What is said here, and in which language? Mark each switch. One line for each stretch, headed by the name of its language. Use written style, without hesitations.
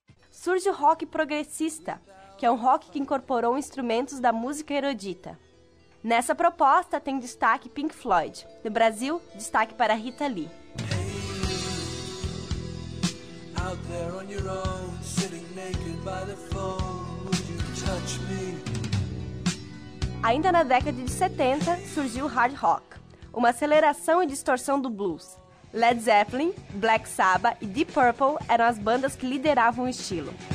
Portuguese: Surge o rock progressista, que é um rock que incorporou instrumentos da música erudita. Nessa proposta tem destaque Pink Floyd. No Brasil, destaque para Rita Lee.
English: Hey, out there on your own, sitting naked by the phone, would you touch me?
Portuguese: Ainda na década de 70, surgiu o hard rock, uma aceleração e distorção do blues. Led Zeppelin, Black Sabbath e Deep Purple eram as bandas que lideravam o estilo.